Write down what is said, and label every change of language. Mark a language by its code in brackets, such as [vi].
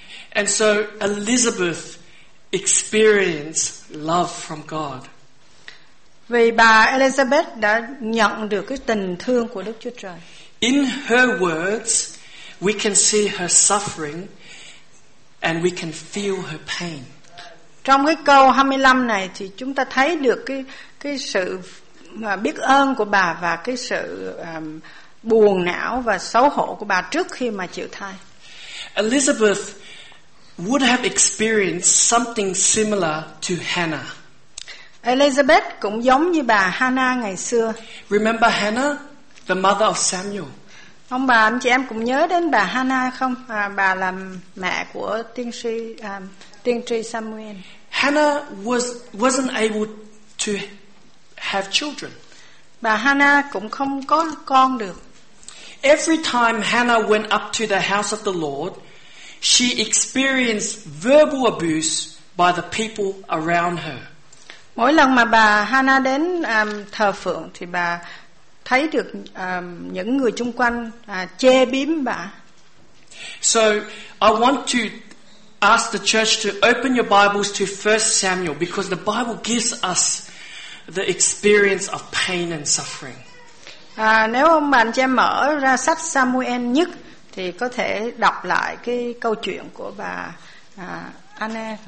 [en] And so Elizabeth experienced love from God. [vi] Vì bà Elizabeth đã nhận được cái tình thương của Đức Chúa Trời. [en] In her words, we can see her suffering and we can feel her pain. [vi] Trong cái câu 25 này thì chúng ta thấy được cái sự biết ơn của bà và cái sự buồn não và xấu hổ của bà trước khi mà chịu thai. [en] Elizabeth would have experienced something similar to Hannah. [vi] Elizabeth cũng giống như bà Hannah ngày xưa. [en] Remember Hannah, the mother of Samuel. [vi] Ông bà anh chị em cũng nhớ đến bà Hannah không? Bà là mẹ của tiên tri Samuel. [en] Hannah wasn't able to have children. [vi] Bà Hannah cũng không có con được. [en] Every time Hannah went up to the house of the Lord, she experienced verbal abuse by the people around her. [vi] Mỗi lần mà bà Hannah đến thờ phượng thì bà thấy được những người xung quanh chê bím bà. [en] So I want to ask the church to open your Bibles to 1 Samuel because the Bible gives us the experience of pain and suffering. [vi] Nếu ông bà anh chị mở ra sách Samuel nhất thì có thể đọc lại cái câu chuyện của bà Anna.